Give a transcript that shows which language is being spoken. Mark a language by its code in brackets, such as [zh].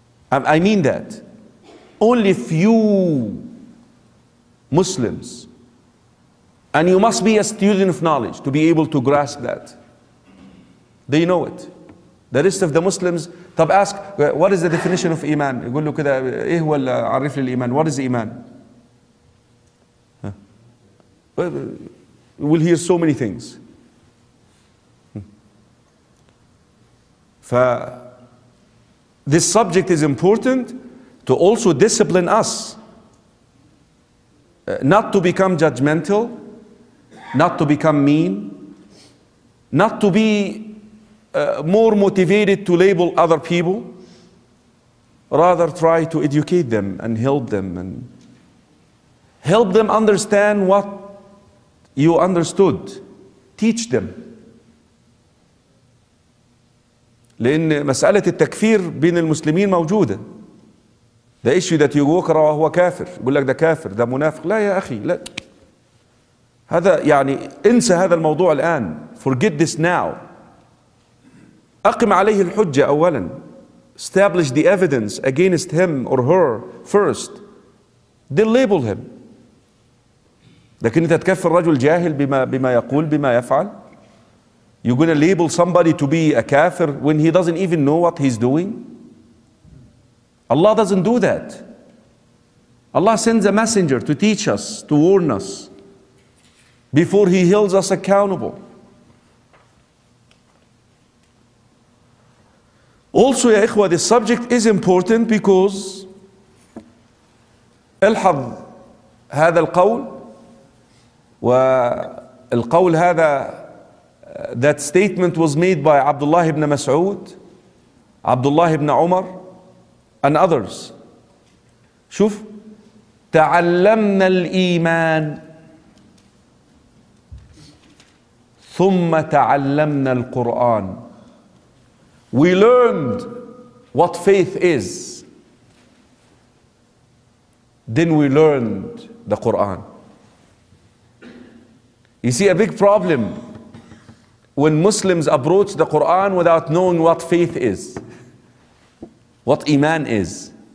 [en] I mean that. Only few Muslims, and you must be a student of knowledge to be able to grasp that. They know it. The rest of the Muslims, طب ask, what is the definition of iman? [ar] يقول له كده, ايه هو عرف لي الايمان, [en] what is iman? We'll hear so many things. This subject is important to also discipline us, not to become judgmental, not to become mean, not to be more motivated to label other people, rather try to educate them and help them, and help them understand what you understood. Teach them. [ar] لأن مسألة التكفير بين المسلمين موجودة. [en] The issue that you walk around, [ar] هو كافر, يقول لك ده كافر, ده منافق. لا يا أخي, لا, هذا يعني انسى هذا الموضوع الآن. [en] Forget this now. [ar] أقم عليه الحجة أولا. [en] Establish the evidence against him or her first. Then label him. [ar] لكن أنت تكفر رجل جاهل بما يقول, بما يفعل. [en] You're going to label somebody to be a kafir when he doesn't even know what he's doing? Allah doesn't do that. Allah sends a messenger to teach us, to warn us, before he holds us accountable. Also, ya ikhwa, this subject is important because [ar] الحظ هذا القول والقول هذا, [en] that statement was made by Abdullah ibn Mas'ud, Abdullah ibn Umar, and others. [ar] شوف, تعلمنا الإيمان ثم تعلمنا القرآن. [en] We learned what faith is, then we learned the Quran. You see, a big problem when Muslims approach the Quran without knowing what faith is, what iman is.